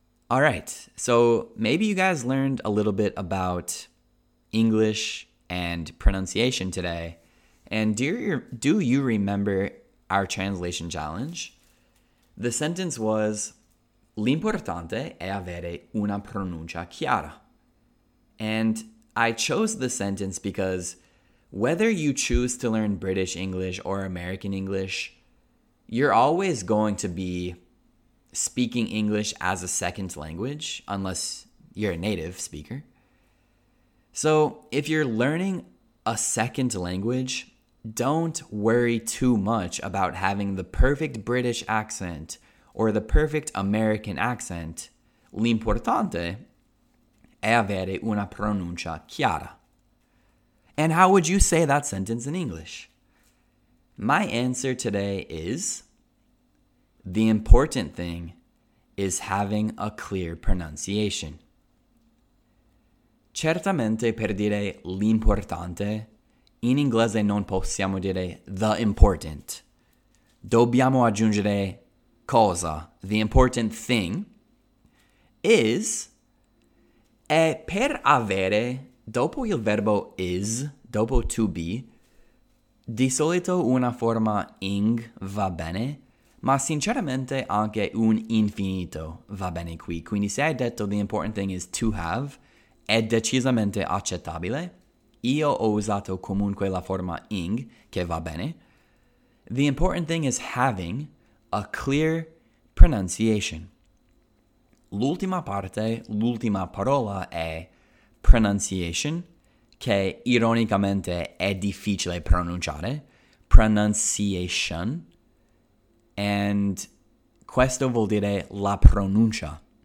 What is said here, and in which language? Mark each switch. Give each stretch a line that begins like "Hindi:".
English: All right, so maybe you guys learned a little bit about English and pronunciation today. And do you remember our translation challenge? The sentence was,
Italian: L'importante è avere una pronuncia chiara.
English: And I chose this sentence because whether you choose to learn British English or American English, you're always going to be speaking English as a second language, unless you're a native speaker. So if you're learning a second language, don't worry too much about having the perfect British accent or the perfect American accent.
Italian: L'importante è avere una pronuncia chiara.
English: And how would you say that sentence in English? My answer today is, the important thing is having a clear pronunciation.
Italian: Certamente per dire l'importante, in inglese non possiamo dire the important. Dobbiamo aggiungere cosa, the important thing, is, e per avere, dopo il verbo is, dopo to be, di solito una forma ing va bene, ma sinceramente anche un infinito va bene qui. Quindi se hai detto
English: the important thing is to have,
Italian: è decisamente accettabile. Io ho usato comunque la forma ing, che va bene.
English: The important thing is having a clear pronunciation.
Italian: L'ultima parte, l'ultima parola è pronunciation, che ironicamente è difficile pronunciare. Pronunciation. And questo vuol dire la pronuncia.